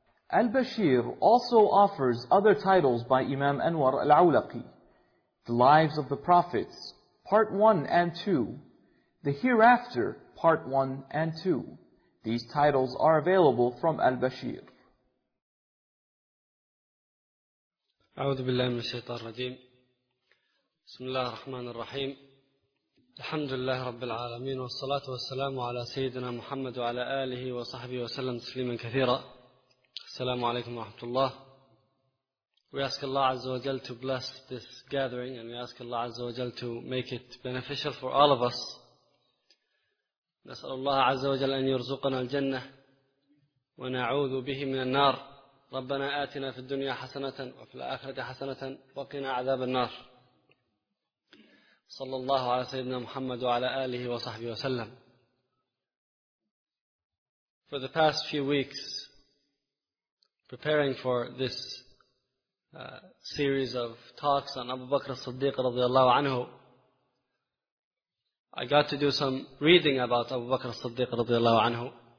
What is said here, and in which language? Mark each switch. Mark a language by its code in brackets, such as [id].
[en] Al-Bashir also offers other titles by Imam Anwar al-Awlaqi, The Lives of the Prophets, Part 1 and 2, The Hereafter, Part 1 and 2. These titles are available from Al-Bashir. [ar] أعوذ بالله من الشيطان الرجيم بسم الله الرحمن الرحيم الحمد لله رب العالمين والصلاة والسلام على سيدنا محمد وعلى آله وصحبه وسلم تسليما كثيرا السلام عليكم ورحمة الله. [en] We ask Allah [ar] عز وجل [en] to bless this gathering, and we ask Allah عز وجل to make it beneficial for all of us. [ar] نسأل الله عز وجل أن يرزقنا الجنة ونعوذ به من النار. ربنا آتنا في الدنيا حسنة وفي الآخرة حسنة وقنا عذاب النار. صلى الله على سيدنا محمد وعلى آله وصحبه وسلم. [en] For the past few weeks, preparing for this series of talks on Abu Bakr as-Siddiq [ar] رضي الله عنه, [en] I got to do some reading about Abu Bakr as-Siddiq رضي الله عنه.